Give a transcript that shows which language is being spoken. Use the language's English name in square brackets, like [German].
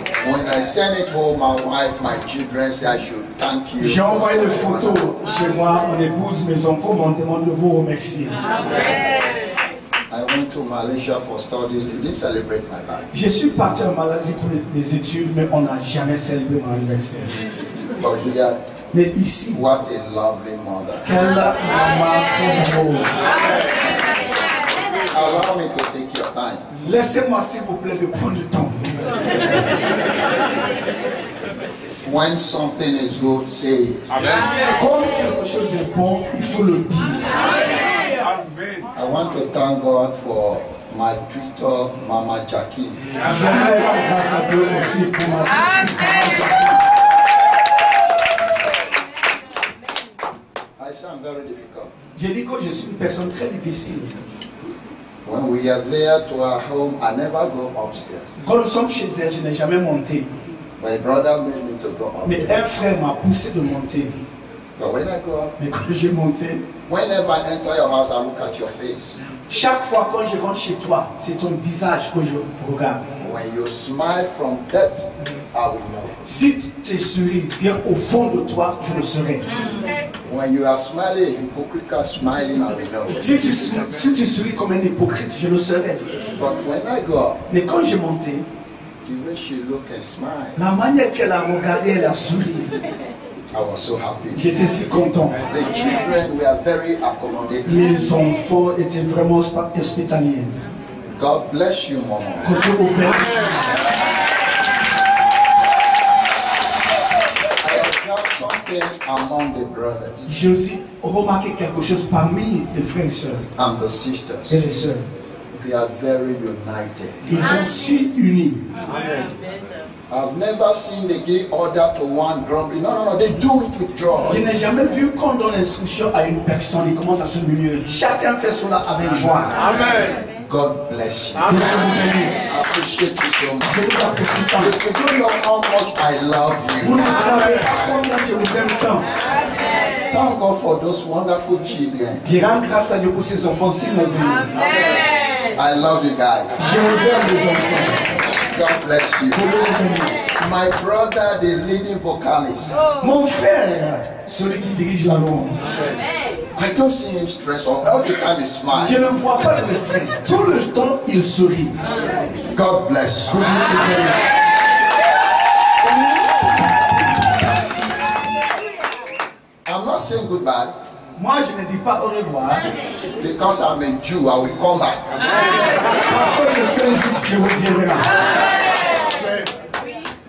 [English] When I send it home, my wife, my children say I should thank you. [French] J'ai envoyé une photo chez moi, mon épouse, mes enfants m'ont demandé de vous remercier. Amen. [English] I went to Malaysia for studies. They didn't celebrate my birthday. [French] Je suis parti en Malaisie pour des études, mais on n'a jamais célébré mon anniversaire. [English] But here, [French] mais ici, [English] what a lovely mother. [French] Quelle maman très drôle. [English] Allow me to take your time. [French] Laissez-moi s'il vous plaît de prendre le temps. [English] When something is good, say it. Amen. [French] Quand quelque chose est bon, il faut le dire. [English] I want to thank God for my tutor, Mama Jackie. [French] J'aimerais rendre grâce à Dieu aussi pour ma tutrice, Mama Jackie. [English] I sound very difficult. [French] Je dis que je suis une personne très difficile. [English] When we are there to our home, I never go upstairs. [French] Quand nous sommes chez elle, je n'ai jamais monté. [English] My brother made me to go upstairs. [French] Mais un frère m'a poussé de monter. [English] But when I go up, [French] mais quand j'ai monté, [English] whenever I enter your house, I look at your face. [French] Chaque fois quand je rentre chez toi, c'est ton visage que je regarde. [English] When you smile from depth, I will know. [French] Si tes sourires viennent au fond de toi, je le serai. [English] When you are smiling, hypocrite smiling, I will know. [French] Si tu souris comme un hypocrite, je le serai. [English] But when I go, [French] mais quand j'ai monté, [English] the way she look and smile, [French] la manière qu'elle a regardé, elle a souri. [English] I was so happy. [French] J'étais si content. [English] The children were very accommodating. [French] Les enfants étaient vraiment hospitaliers. [English] God bless you, Mama. [French] Que Dieu vous bénisse. [English] I observed something among the brothers. [French] J'ai aussi remarqué quelque chose parmi les frères et sœurs. [English] And the sisters. [French] Et les sœurs. [English] They are very united. [French] Ils sont si unis. Amen. [English] I've never seen the give order to one grumbling. No, they do it with joy. [French] Je n'ai jamais vu qu'on donne l'instruction à une personne et commence à se murmurer. Chacun fait cela avec joie. Amen. [English] God bless you. [French] Dieu vous bénisse. [English] I appreciate you so much. [French] Je vous apprécie tant. [English] You know how much I love you. [French] Vous ne savez pas combien je vous aime tant. [English] Amen. Thank God for those wonderful children. [French] Je rends grâce à Dieu pour ces enfants si merveilleux. Amen. [English] I love you guys. [French] Je vous aime, les enfants. [English] God bless you. My brother, the leading vocalist. [French] Oh. Mon frère, celui qui dirige la louange. [English] I don't see him stressed or all the time he smiles. [French] Je ne vois pas le stress. Tout le temps, il sourit. [English] God bless you. Amen. I'm not saying goodbye. [French] Moi, je ne dis pas au revoir. [English] Because I'm a Jew, I will come back. [French] Parce que je suis un Jew, je reviendrai.